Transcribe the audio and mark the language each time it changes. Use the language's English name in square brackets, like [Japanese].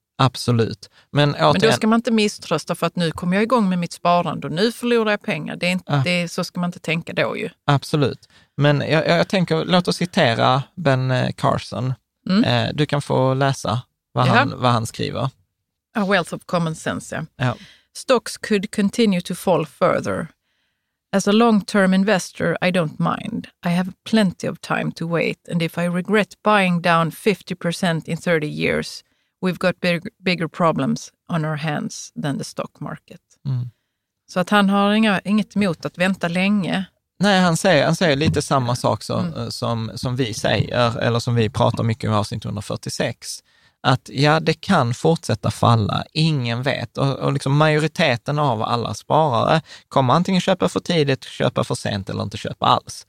[Swedish] Absolut. Men, då ska man inte misströsta för att nu kommer jag igång med mitt sparande och nu förlorar jag pengar. Det är inte, det, så ska man inte tänka då ju. Absolut. Men jag tänker, låt oss citera Ben Carson. Mm. Du kan få läsa vad han skriver. [English] A wealth of common sense, [Swedish] ja. [English] Stocks could continue to fall further. As a long-term investor, I don't mind. I have plenty of time to wait. And if I regret buying down 50% in 30 years... we've got bigger problems on our hands than the stock market. Mm. [Swedish] Så att han har inget emot att vänta länge. Nej, han säger lite samma sak som vi säger, eller som vi pratar mycket om i avsnitt 146. Att ja, det kan fortsätta falla. Ingen vet. Och liksom majoriteten av alla sparare kommer antingen köpa för tidigt, köpa för sent eller inte köpa alls.